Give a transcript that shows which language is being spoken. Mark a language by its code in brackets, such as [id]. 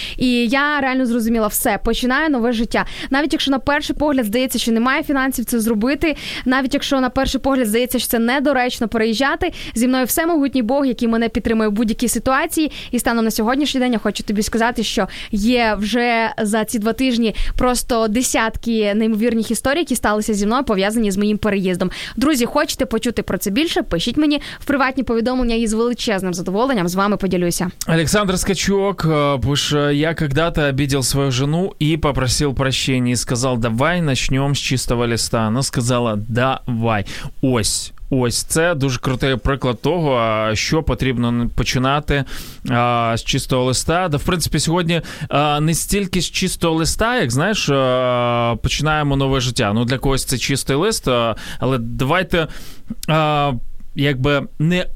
[uk] І я реально зрозуміла, все, починаю нове життя. Навіть якщо на перший погляд здається, що немає фінансів це зробити, навіть якщо на перший погляд здається, що це недоречно переїжджати, зі мною все могутній Бог, який мене підтримує в будь-якій ситуації. І станом на сьогоднішній день я хочу тобі сказати, що є вже за ці 2 тижні просто десятки неймовірних історій, які сталися зі мною, пов'язані з моїм переїздом. Друзі, хочете почути про це більше? Пишіть мені в приватні повідомлення і з величезним задоволенням з вами поділюся. [ru] Олександр Скачок [uk] пише: [ru] я когда-то обидел свою жену и попросил прощения, сказав, давай начнем з чистого листа. [uk] Вона сказала, давай. Ось, це дуже крутий приклад того, що потрібно починати з чистого листа. Да, в принципі, сьогодні не стільки з чистого листа, як, знаєш, починаємо нове життя. Ну, для когось це чистий лист, але давайте, якби не